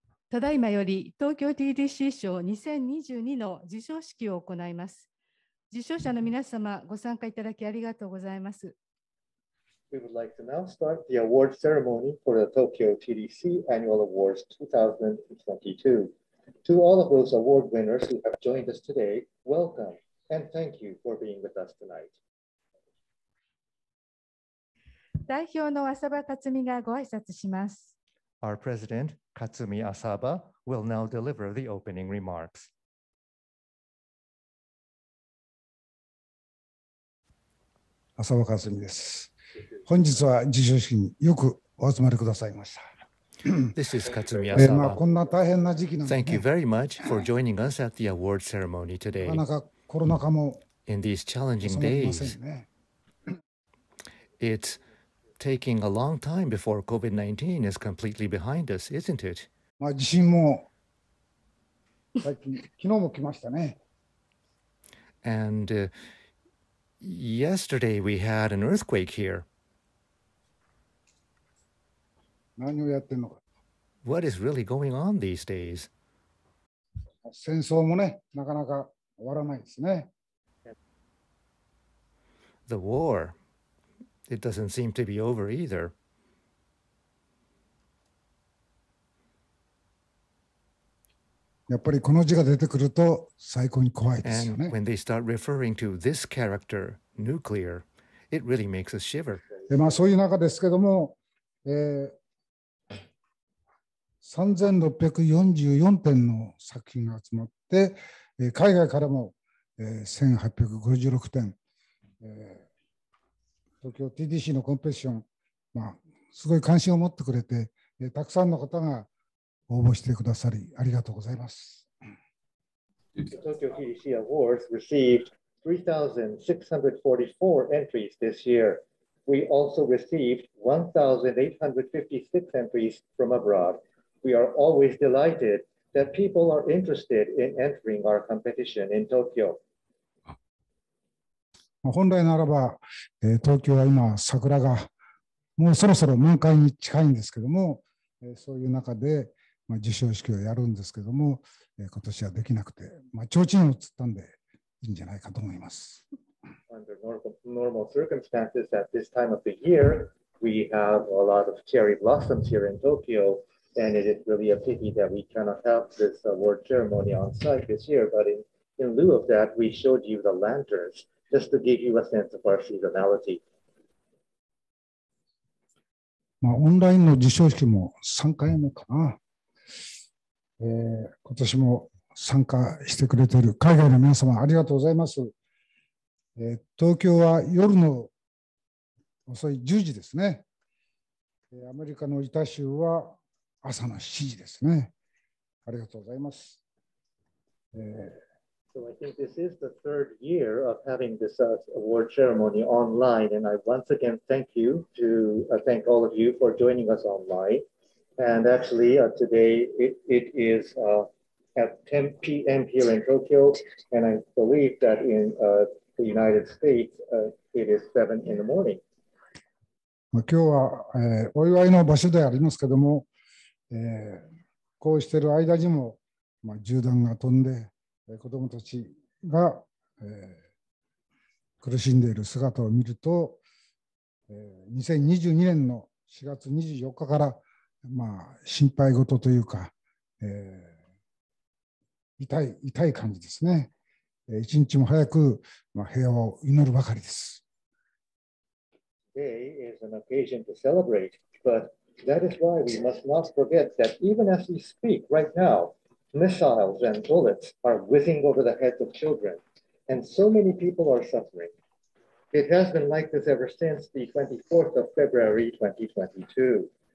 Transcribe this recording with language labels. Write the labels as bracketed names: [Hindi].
[Japanese] ただいまより東京 TDC 賞2022の授賞式を行います。受賞者の皆様ご参加いただきありがとうございます。 [English] We would like to now start the award ceremony for the Tokyo TDC Annual Awards 2022. To all of those award winners who have joined us today, welcome and thank you for being with us tonight. [Japanese] 代表の浅場克美がご挨拶します。 [English] Our President, Katsumi Asaba, will now deliver the opening remarks. [Japanese] Asaba Katsumi です。本日は授賞式によくお集まりくださいました。 [English] This is Katsumi Asaba. [Japanese] まあこんな大変な時期なんで。 [English] Thank you very much for joining us at the award ceremony today. [Japanese] なんかコロナ禍も。 [English] In these challenging days. It's... taking a long time before COVID-19 is completely behind us, isn't it? [Japanese] まあ地震も最近、昨日も来ましたね。 [English] And、yesterday we had an earthquake here. [Japanese] 何をやってんのか。 [English] What is really going on these days? [Japanese] 戦争もね、なかなか終わらないですね。 [English] The war. It doesn't seem to be over either. [Japanese] やっぱりこの字が出てくると最高に怖いですよね。 [English] And when they start referring to this character, nuclear, it really makes us shiver. [Japanese] まあそういう中ですけども、3644点の作品が集まって、海外からも、1856点、東京 TDC のコンペティション、まあ、すごい関心を持ってくれて、たくさんの方が応募してくださり、ありがとうございます。 [English] The Tokyo TDC Awards received 3,644 entries this year. We also received 1,856 entries from abroad. We are always delighted that people are interested in entering our competition in Tokyo. [Japanese] 本来ならば、東京は今桜がもうそろそろ満開に近いんですけども、そういう中で、まあ、授賞式をやるんですけども、今年はできなくて、まあ、提灯を釣ったんでいいんじゃないかと思います。 [English] Under normal circumstances at this time of the year, we have a lot of cherry blossoms here in Tokyo, and it is really a pity that we cannot have this award ceremony on site this year. But in lieu of that, we showed you the lanterns. Just to give you a sense of our seasonality. [Japanese] まあ、オンラインの授賞式も3回目かな。今年も参加してくれている海外の皆様ありがとうございます。東京は夜の遅い10時ですね。アメリカのユタ州は朝の7時ですね。ありがとうございます。 [English] So I think this is the third year of having this award ceremony online. And I once again thank you to thank all of you for joining us online. And actually today it is at 10 p.m. here in Tokyo. And I believe that in the United States it is 7 in the morning. [Japanese] 今日は、お祝いの場所でありますけども、こうしている間にも、まあ、銃弾が飛んで、子どもたちが、苦しんでいる姿を見ると、2022年の4月24日から、まあ、心配事というか、痛い感じですね。一日も早く、まあ、平和を祈るばかりです。 [English] Today is an occasion to celebrate, but that is why we must not forget that even as we speak right nowMissiles and bullets are whizzing over the heads of children, and so many people are suffering. It has been like this ever since the 24th of February 2022.